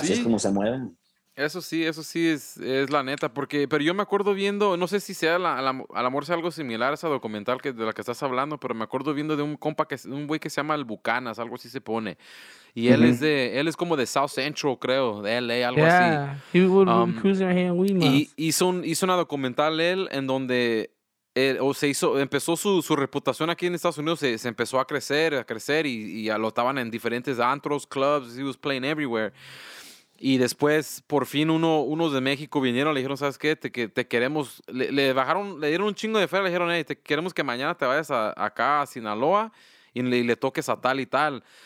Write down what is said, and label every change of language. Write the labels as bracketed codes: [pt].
[es] Así es como se mueven. Eso sí es la neta. Pero yo me acuerdo viendo, no sé si sea al amor sea algo similar a ese documental de la que estás hablando, pero me acuerdo viendo de un compa, un güey que se llama El Bucanas, algo así se pone. Y él, uh-huh, él es como de South Central, creo, de LA, algo así. [en] Yeah, he would be cruising right here in Weymouth. [es] Y hizo una documental él en donde... empezó su reputación aquí en Estados Unidos, se empezó a crecer y ya lo estaban en diferentes antros, clubs, [en] he was playing everywhere. [es] Y después, por fin, unos de México vinieron, le dijeron, ¿sabes qué? Te queremos, le dieron un chingo de fe, le dijeron, hey, te queremos que mañana te vayas acá a Sinaloa y le toques a tal y tal.